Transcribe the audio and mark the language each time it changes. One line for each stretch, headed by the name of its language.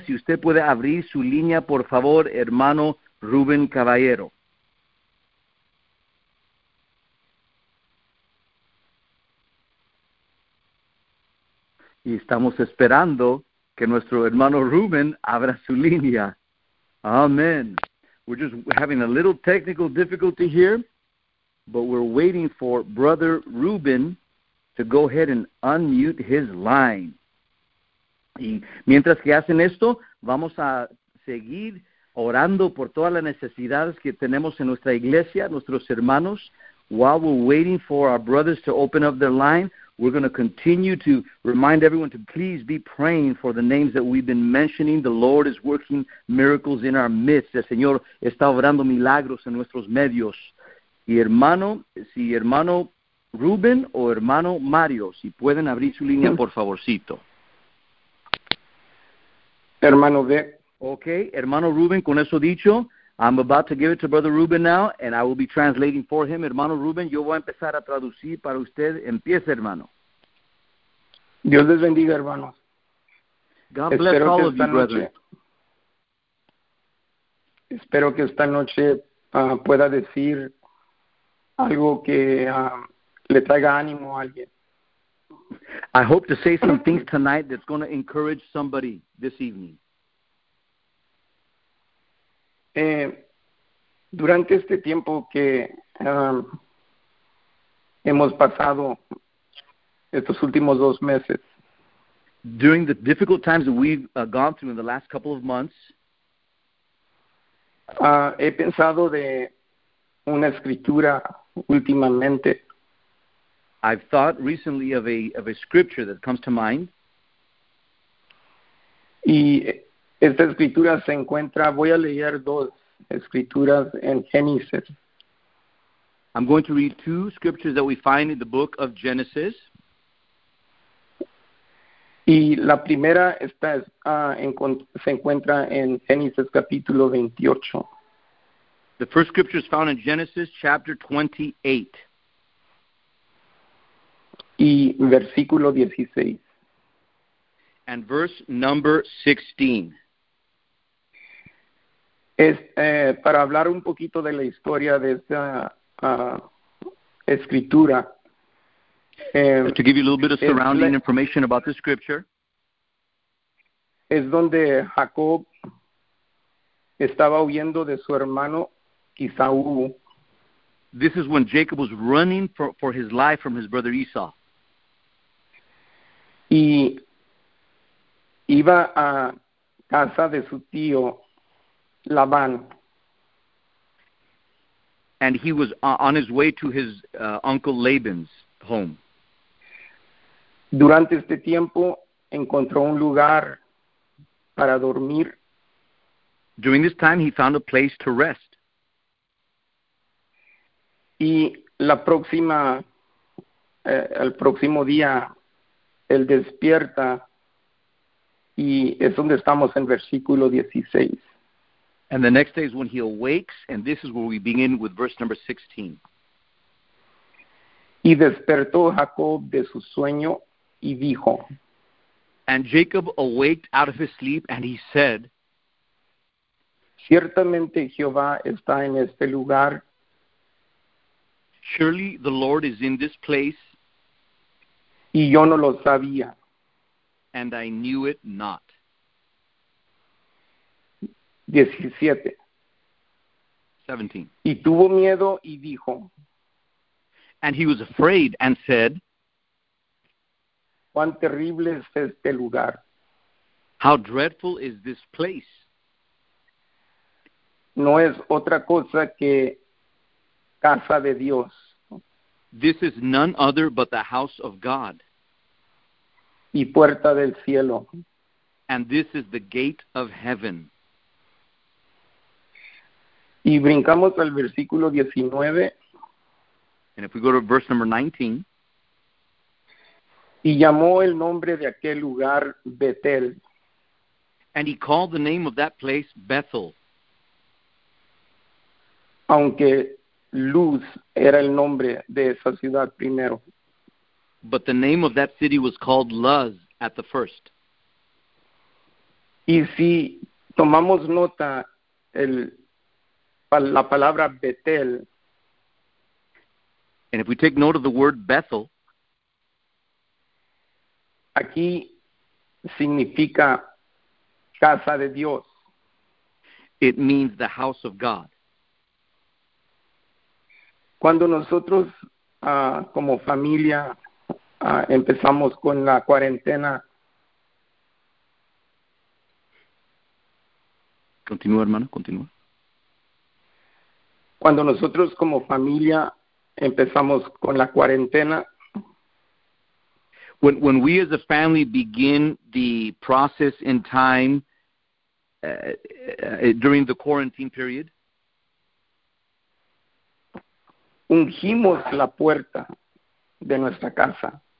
Spanish: Si usted puede abrir su línea, por favor, hermano Rubén Caballero. Y estamos esperando que nuestro hermano Rubén abra su línea. Amén.
English: We're just having a little technical difficulty here, but we're waiting for Brother Ruben to go ahead and unmute his line.
Spanish: Y mientras que hacen esto, vamos a seguir orando por todas las necesidades que tenemos en nuestra iglesia, nuestros hermanos.
English: While we're waiting for our brothers to open up their line, we're going to continue to remind everyone to please be praying for the names that we've been mentioning. The Lord is working miracles in our midst.
Spanish: El Señor está obrando milagros en nuestros medios. Y hermano, si hermano Rubén o hermano Mario, si pueden abrir su línea, por favorcito. Hermano de.
English: Okay,
Spanish: hermano Rubén, con eso dicho,
English: I'm about to give it to Brother Ruben now, and I will be translating for him.
Spanish: Hermano Ruben, yo voy a empezar a traducir para usted. Empiece, hermano. Dios les bendiga, hermanos.
English: God bless
Spanish: Espero que
English: all of you,
Spanish: esta
English: brethren.
Spanish: noche, pueda decir algo que le traiga ánimo a alguien.
English: I hope to say some things tonight that's going to encourage somebody this evening.
Spanish: Durante este tiempo que hemos pasado estos últimos 2 meses,
English: During the difficult times that we've gone through in the last couple of months,
Spanish: he pensado de una escritura últimamente.
English: I've thought recently of a scripture that comes to mind.
Spanish: Y esta escritura se encuentra, voy a leer dos. Escrituras en Génesis.
English: I'm going to read two scriptures that we find in the book of Genesis.
Spanish: Y la primera se encuentra en Génesis capítulo 28.
English: The first scripture is found in Genesis chapter 28.
Spanish: Y versículo 16.
English: And verse number 16.
Spanish: Para hablar un poquito de la historia de esta escritura,
English: To give you a little bit of surrounding information about the scripture.
Spanish: es donde Jacob estaba huyendo de su hermano Esaú.
English: This is when Jacob was running for his life from his brother Esau.
Spanish: Y iba a casa de su tío Labán.
English: And he was on his way to his uncle Laban's home.
Spanish: Durante este tiempo encontró un lugar para dormir.
English: During this time, he found a place to rest.
Spanish: Y el próximo día él despierta y es donde estamos en versículo 16.
English: And the next day is when he awakes, and this is where we begin with verse number 16.
Spanish: Y despertó Jacob de su sueño y dijo:
English: And Jacob awaked out of his sleep, and he said,
Spanish: Ciertamente Jehová está en este lugar.
English: Surely the Lord is in this place,
Spanish: Y yo no lo sabía.
English: and I knew it not. 17. 17.
Spanish: Y tuvo miedo y dijo:
English: And he was afraid and said,
Spanish: Cuán terrible es este lugar.
English: How dreadful is this place?
Spanish: No es otra cosa que casa de Dios.
English: This is none other but the house of God.
Spanish: Y puerta del cielo.
English: And this is the gate of heaven.
Spanish: Y brincamos al versículo 19.
English: And if we go to verse number 19.
Spanish: Y llamó el nombre de aquel lugar Betel.
English: And he called the name of that place Bethel.
Spanish: Aunque Luz era el nombre de esa ciudad primero.
English: But the name of that city was called Luz at the first.
Spanish: Y si tomamos nota la palabra Betel.
English: And if we take note of the word Bethel.
Spanish: Aquí significa casa de Dios.
English: It means the house of God.
Spanish: Cuando nosotros como familia empezamos con la cuarentena. Continúa, hermano, continúa. Cuando nosotros como familia empezamos con la cuarentena.
English: When we as a family begin the process in time during the quarantine period,
Spanish: ungimos la puerta de nuestra casa.